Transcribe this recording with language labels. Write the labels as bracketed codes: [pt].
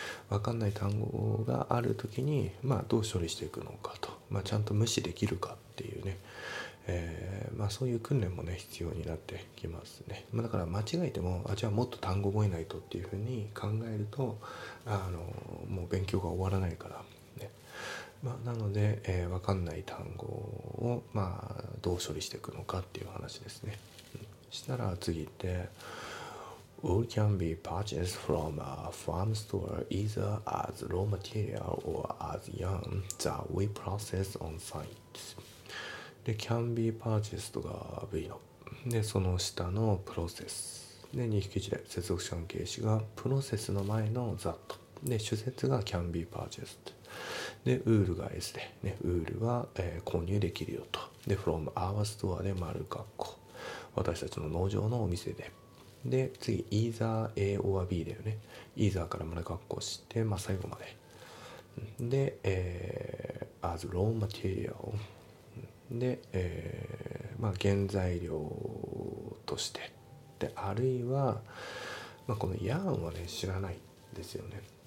[ja] 分かんない単語がある時に、まあどう処理していくのかと、まあちゃんと無視できるかっていうね、まあそういう訓練もね必要になってきますね。まあ、だから間違えても、あ、じゃあもっと単語覚えないとっていうふうに考えると、もう勉強が終わらないからね。まあ、なので、分かんない単語を、まあ、どう処理していくのかっていう話ですね。したら次行って [en] Wool can be purchased from a farm store either as raw material or as yarn that we process on site。 [ja] で、can be purchased が V の。で、その下の process。で、2匹字で接続関係詞が process の前の that。で、主節が can be purchased。で、wool が S で。ね、wool は、購入できるよと。で、 [en] from our store [ja] で丸括弧。私たちの農場のお店で。で、次、 [en] either A or B [ja] だよね。 either から丸括弧して、まあ、最後まで。で、 [en] as raw material。 [ja] で、まあ、原材料として、で、あるいは、まあ、このヤーンはね知らないですよね。